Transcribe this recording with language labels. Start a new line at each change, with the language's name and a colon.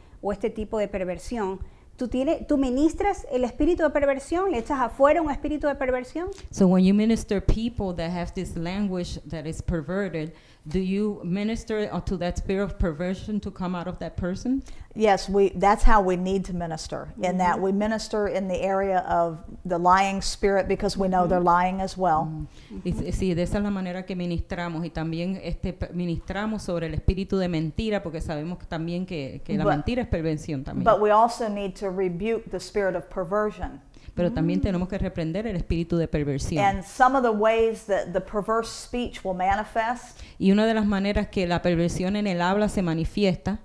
Spanish: O este tipo de perversión, tú ministras el espíritu de perversión, le echas afuera un espíritu de perversión.
English: So when you minister people that have this language that is perverted, do you minister to that spirit of perversion to come out of that person? Yes, that's how we need to minister, mm-hmm. in that we minister in the area of the lying spirit because we know mm-hmm. they're lying as well. Mm-hmm.
Spanish: Sí, de esa es la manera que ministramos y también ministramos sobre el espíritu de mentira porque sabemos también que la mentira es perversión también.
English: But we also need to rebuke the spirit of perversion.
Spanish: Pero también tenemos que reprender el espíritu de perversión.
English: And some of the ways that the perverse speech will manifest.
Spanish: Y una de las maneras que la perversión en el habla se manifiesta